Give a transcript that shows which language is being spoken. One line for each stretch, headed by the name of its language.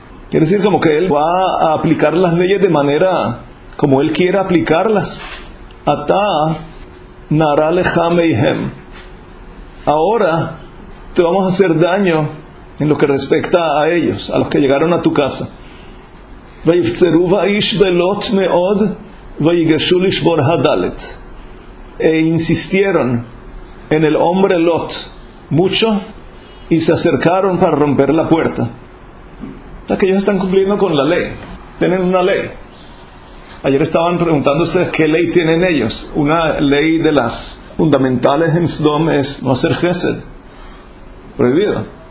Spanish: Quiere decir como que él va a aplicar las leyes de manera como él quiera aplicarlas.
Hebrew: Ata nara lecha meihem.
Spanish: Ahora te vamos a hacer daño en lo que respecta a ellos, a los que llegaron a tu casa.
Hebrew: ויפצרו ואיש בלוט מאוד ויגשו לשבור הדלת.
Spanish: E insistieron en el hombre Lot mucho y se acercaron para romper la puerta. O sea que ellos están cumpliendo con la ley, tienen una ley. Ayer estaban preguntando ustedes qué ley tienen ellos. Una ley de las fundamentales en Sdom es no hacer gesed, prohibido.